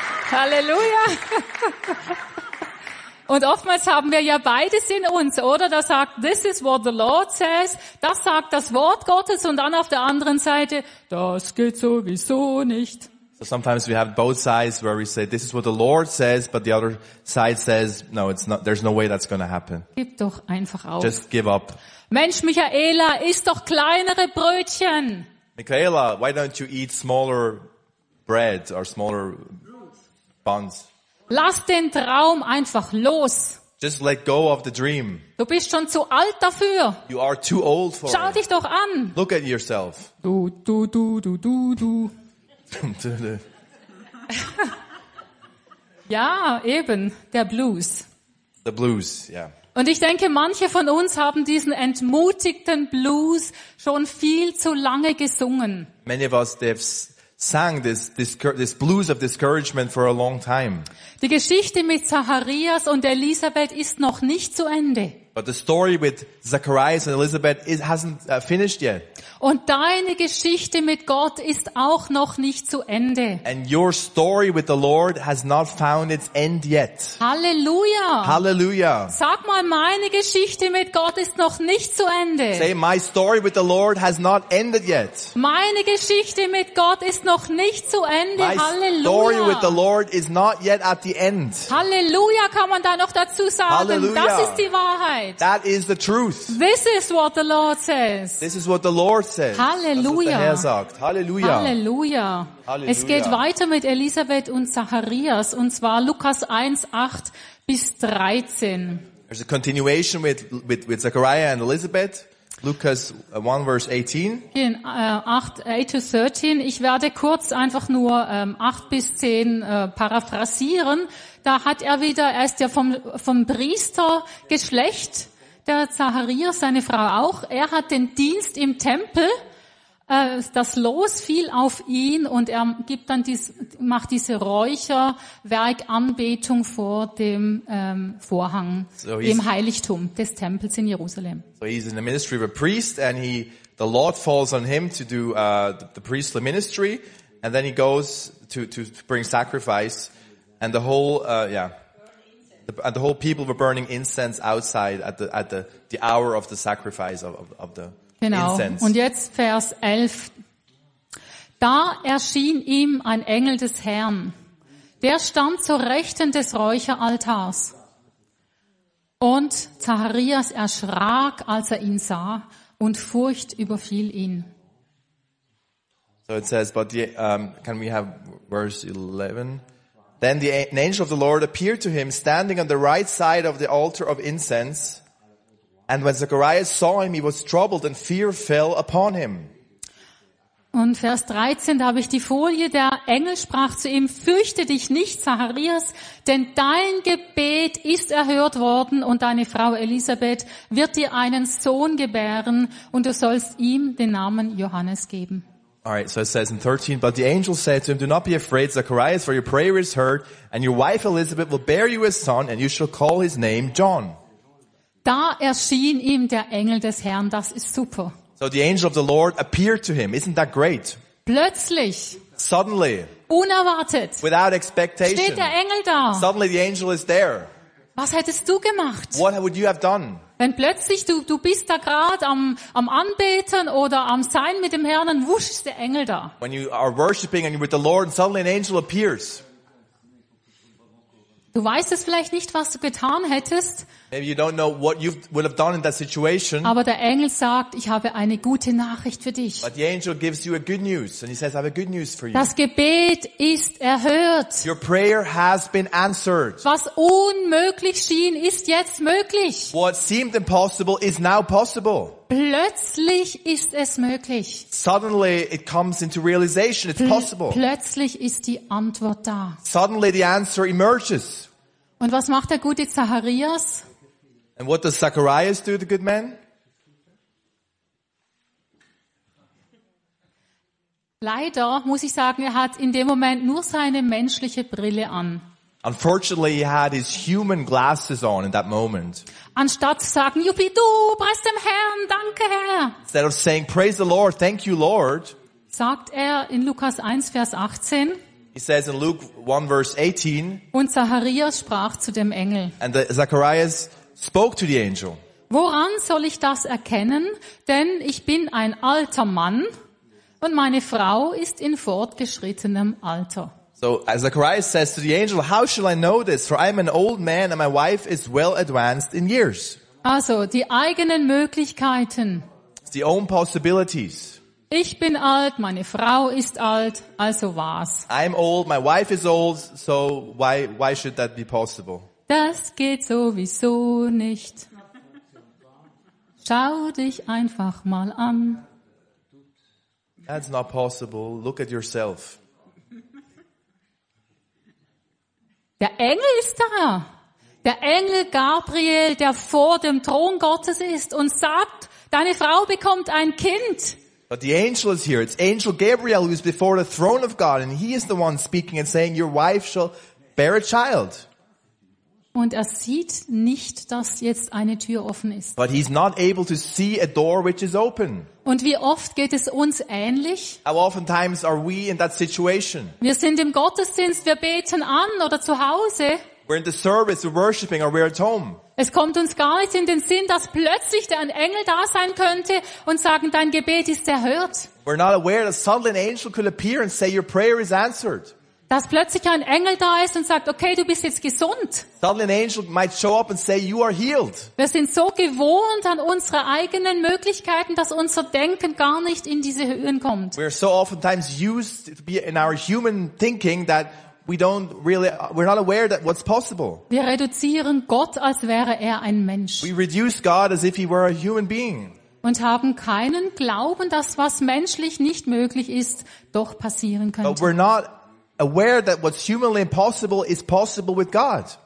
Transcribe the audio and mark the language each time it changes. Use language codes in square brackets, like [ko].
[de] Halleluja. Und oftmals haben wir ja beides in uns, oder? Da sagt, [en] this is what the Lord says. [de] Das sagt das Wort Gottes und dann auf der anderen Seite, das geht sowieso nicht. [en] So sometimes we have both sides where we say, this is what the Lord says, but the other side says, no, it's not, there's no way that's going to happen. [de] Gib doch einfach auf. [en] Just give up. [de] Mensch, Michaela, isst doch kleinere Brötchen. [en] Michaela, why don't you eat smaller bread or smaller buns? [de] Lass den Traum einfach los. [en] Just let go of the dream. [de] Du bist schon zu alt dafür. [en] You are too old for [de] Schau [en] it. [de] Dich doch an. [en] Look at yourself. [de] Du, du, du, du, du, du. Ja, eben, der Blues. [en] The blues, yeah. [de] Und ich denke, manche von uns haben diesen entmutigten Blues schon viel zu lange gesungen. [en] Many of us, they've sang this blues of discouragement for a long time. [de] Die Geschichte mit Zacharias und Elisabeth ist noch nicht zu Ende. [en] But the story with Zacharias and Elizabeth hasn't finished yet. [de] Und deine Geschichte mit Gott ist auch noch nicht zu Ende. [en] And your story with the Lord has not found its end yet. [de] Halleluja. Halleluja. Sag mal, meine Geschichte mit Gott ist noch nicht zu Ende. [en] Say, my story with the Lord has not ended yet. [de] Meine Geschichte mit Gott ist noch nicht zu Ende. [en] My [de] Halleluja. [en] Story with the Lord is not yet at the end. [de] Halleluja, kann man da noch dazu sagen? Halleluja. Das ist die Wahrheit. [en] That is the truth. This is what the Lord says. This is what the Lord says. [de] Halleluja. Das, was der Herr sagt. Halleluja. Halleluja. Halleluja. Es geht weiter mit Elisabeth und Zacharias, und zwar Lukas 1, 8 bis 13. [en] There's a continuation with Zachariah and Elizabeth. Lukas 1, verse 18. In 8 to 13. [de] Ich werde kurz einfach nur 8 bis 10 paraphrasieren. Da hat er wieder, er ist ja vom Priestergeschlecht, der Zacharias, seine Frau auch. Er hat den Dienst im Tempel. Das Los fiel auf ihn und er gibt dann macht diese Räucherwerkanbetung vor dem Vorhang im Heiligtum des Tempels in Jerusalem. [en] So he's in the ministry of a priest and the Lord falls on him to do the priestly ministry and then he goes to bring sacrifice and the whole people were burning incense outside at the hour of the sacrifice of the [de] Genau. [en] Incense. [de] Und jetzt Vers 11. Da erschien ihm ein Engel des Herrn. Der stand zur Rechten des Räucheraltars. Und Zacharias erschrak, als er ihn sah, und Furcht überfiel ihn. [en] So it says, but can we have verse 11? Then the angel of the Lord appeared to him, standing on the right side of the altar of incense. And when Zacharias saw him, he was troubled and fear fell upon him. [de] Und Vers 13, da habe ich die Folie. Der Engel sprach zu ihm, fürchte dich nicht, Zacharias, denn dein Gebet ist erhört worden und deine Frau Elisabeth wird dir einen Sohn gebären und du sollst ihm den Namen Johannes geben. [en] All right, so it says in 13, but the angel said to him, do not be afraid, Zacharias, for your prayer is heard and your wife Elisabeth will bear you a son and you shall call his name John. [de] Da erschien ihm der Engel des Herrn. Das ist super. [en] So the angel of the Lord appeared to him. Isn't that great? [de] Plötzlich. [en] Suddenly. [de] Unerwartet. [en] Without expectation. [de] Steht der Engel da. [en] Suddenly the angel is there. [de] Was hättest du gemacht? [en] What would you have done? [de] Wenn plötzlich du bist da gerade am Anbeten oder am Sein mit dem Herrn, dann wusch ist der Engel da. [en] When you are worshiping and you're with the Lord and suddenly an angel appears. [de] Du weißt es vielleicht nicht, was du getan hättest. [en] Maybe you don't know what you would have done in that situation. [de] Aber der Engel sagt, ich habe eine gute Nachricht für dich. [en] But the angel gives you a good news and he says, I have a good news for you. [de] Das Gebet ist erhört. [en] Your prayer has been answered. [de] Was unmöglich schien, ist jetzt möglich. [en] What seemed impossible is now possible. [de] Plötzlich ist es möglich. [en] Suddenly it comes into realization. It's possible. [de] Plötzlich ist die Antwort da. [en] Suddenly the answer emerges. [de] Und was macht der gute Zacharias? [en] And what does Zacharias do, the good man? [de] Leider muss ich sagen, er hat in dem Moment nur seine menschliche Brille an. [en] Unfortunately, he had his human glasses on in that moment. [de] Anstatt zu sagen, Juppidoo, preis dem Herrn, danke Herr. [en] Instead of saying, praise the Lord, thank you Lord. [de] Sagt er in Lukas 1, Vers 18. [en] He says in Luke 1, verse 18. [de] Und Zacharias sprach zu dem Engel. [en] And Zacharias spoke to the angel. [de] Woran soll ich das erkennen? Denn ich bin ein alter Mann und meine Frau ist in fortgeschrittenem Alter. [en] So as Zacharias says to the angel, how shall I know this? For I am an old man and my wife is well advanced in years. [de] Also, die eigenen Möglichkeiten. [en] It's the own possibilities. [de] Ich bin alt, meine Frau ist alt, also was? [en] I'm old, my wife is old, so why should that be possible? [de] Das geht sowieso nicht. Schau dich einfach mal an. [en] That's not possible. Look at yourself. [de] Der Engel ist da. Der Engel Gabriel, der vor dem Thron Gottes ist und sagt, deine Frau bekommt ein Kind. [en] But the angel is here. It's Angel Gabriel who is before the throne of God and he is the one speaking and saying, your wife shall bear a child. [de] Und er sieht nicht, dass jetzt eine Tür offen ist. [en] But he's not able to see a door which is open. [de] Und wie oft geht es uns ähnlich? [en] How oftentimes are we in that situation? [de] Wir sind im Gottesdienst, wir beten an oder zu Hause. [en] We're in the service, we're worshiping, or we're at home. [de] Es kommt uns gar nicht in den Sinn, dass plötzlich der Engel da sein könnte und sagen, dein Gebet ist erhört. [en] We're not aware that suddenly an angel could appear and say, your prayer is answered. [de] Dass plötzlich ein Engel da ist und sagt, okay, du bist jetzt gesund. [en] Suddenly an angel might show up and say, you are healed. [de] Wir sind so gewohnt an unsere eigenen Möglichkeiten, dass unser Denken gar nicht in diese Höhen kommt. [en] We are so oftentimes used to be in our human thinking that we're not aware that what's possible. [de] Wir reduzieren Gott, als wäre er ein Mensch. [en] We reduce God as if he were a human being. [de] und haben keinen Glauben, dass was menschlich nicht möglich ist, doch passieren könnte. [en] But we're not aware that what's humanly impossible is possible with God.